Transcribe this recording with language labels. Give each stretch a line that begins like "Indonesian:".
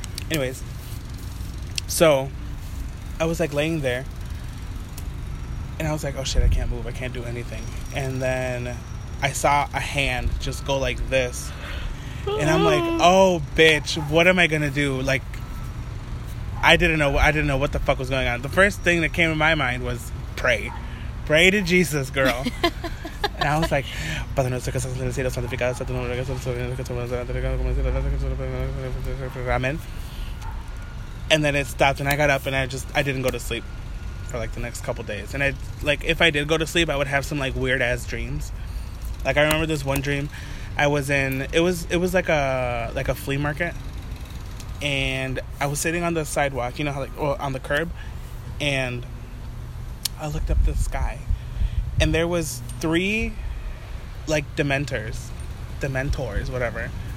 English: Anyways, so I was like laying there, and I was like, oh shit, I can't move. I can't do anything. And then I saw a hand just go like this. And I'm like, oh, bitch, what am I going to do? Like, I didn't know what the fuck was going on. The first thing that came to my mind was pray. Pray to Jesus, girl. And I was like,
Spanish: Padre nuestro que estás en el cielo, santificado sea tu nombre, que estás en el cielo, santificado sea tu nombre.
English: Amen. And then it stopped, and I got up, and I didn't go to sleep for, like, the next couple days. And, if I did go to sleep, I would have some, like, weird-ass dreams. Like, I remember this one dream. I was in, it was like a flea market, and I was sitting on the sidewalk, you know, how like, well, on the curb, and I looked up the sky, and there was three, like, dementors, whatever.